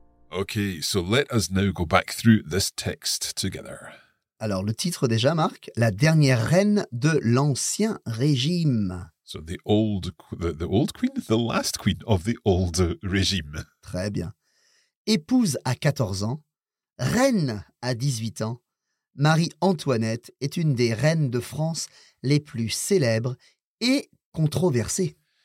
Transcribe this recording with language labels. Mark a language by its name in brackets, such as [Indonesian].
[English] Okay, so let us now go back through this text together. [French] Alors, le titre déjà marque « La dernière reine de l'Ancien Régime ». [English] So the old queen, the last queen of the old regime. [French] Très bien. Épouse à 14 ans, reine à 18 ans, Marie-Antoinette est une des reines de France les plus célèbres et controversées.